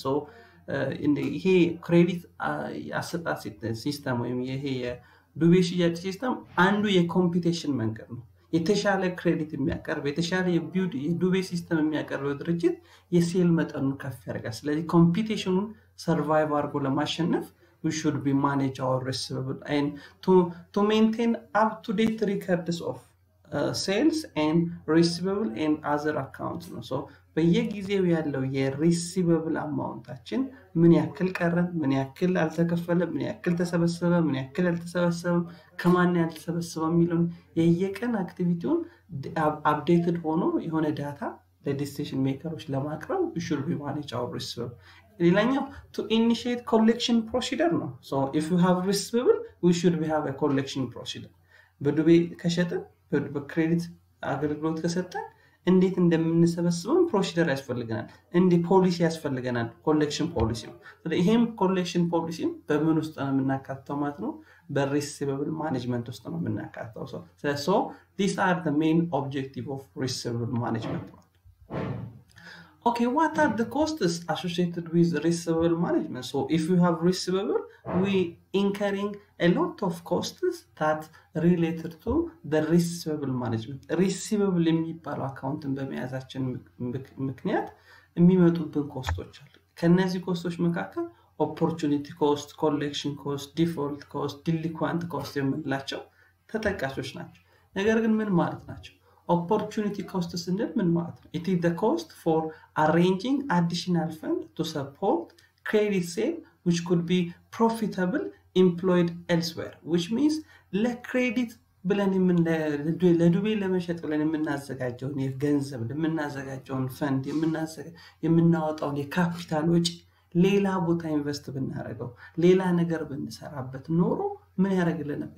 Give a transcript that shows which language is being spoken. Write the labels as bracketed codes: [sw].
[en] So in the he credit asset system [am] ወይም ይሄ የዱቤ ሽያጭ system አንዱ የcompetition መንገድ ነው። የተሻለ ክሬዲት የሚያቀርብ የተሻለ የቢዩድ የዱቤ ሲስተም የሚያቀርብ ድርጅት የሴል መጠኑን ከፍ ያደርጋል። ስለዚህ ኮምፒቲሽኑን ሰርቫይቭ አድርጎ ለማሸነፍ [en] we should be manage our receivable and to maintain up to date records of sales and receivable and other accounts. [am] So በየጊዜው ያለው የreceivable amountታችን ምን ያክል ቀረ ምን ያክል አልተከፈለ ምን ያክል ተሰበሰበ ምን ያክል አልተሰበሰበ ከማን ያልተሰበሰበ የሚለውን የየቀን አክቲቪቲውን አፕዴትድ ሆኖ የሆነ ዳታ ለዲሲዥን ሜከሮች ለማቅረብ [en] we should be manage our receivable. [am] ሌላኛው [en] to initiate collection procedure ነው። So if you have receivable we should be have a collection procedure. [am] በዱቤ ከሸጠ በክሬዲት አገልግሎት ከሰጠ እንዴት እንደምንሰበስበው ፕሮሲደር ያስፈልገናል እንዴ ፖሊሲ ያስፈልገናል ኮሌክሽን ፖሊሲ። ስለዚህ ይሄም ኮሌክሽን ፖሊሲ በምን ውስጥ ነው የምናካተው ማለት ነው በሪሲቨብል ማኔጅመንት ውስጥ ነው የምናካተው። ስለዚህ [en] so these are the main objective of receivable management. Okay, what are the costs associated with receivable management? So if you have receivable, we incurring a lot of costs that related to the receivable management. [am] Receivable የሚባለው አካውንትን በመያዛችን ምክንያት የሚመጡብን ኮስቶች አሉ። ከነዚህ ኮስቶች መካከል [en] opportunity cost, collection cost, default cost, delinquent cost [am] የምንላቸው ተጠቃሾች ናቸው። ነገር ግን ምን ማለት ናቸው? [en] Opportunity cost is in the cost for arranging additional fund to support credit sale which could be profitable employed elsewhere, which means [am] le credit ብለን ለዱቤ ለመሸጥ ብለን የምናዘጋጀውን የገንዘብ የምናዘጋጀውን ፈንድ የምናወጣውን የካፒታል ወጪ ሌላ ቦታ ኢንቨስት ብናደርገው ሌላ ነገር ብንሰራበት ኖሮ ምን ያደርግልናል?